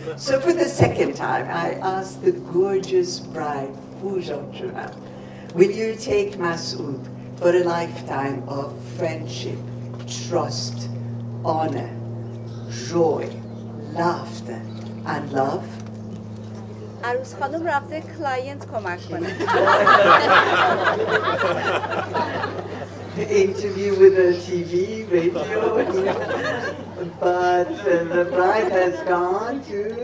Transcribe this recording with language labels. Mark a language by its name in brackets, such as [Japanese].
[English] So for the second time, I ask the gorgeous bride, Fujian Juhal, will you take Masoud for a lifetime of friendship, trust, honor, joy, laughter, and love? [Persian] عروس خانم رفته کلاینت کمک کنه. [English] Interview with the TV, radio, but the bride has gone to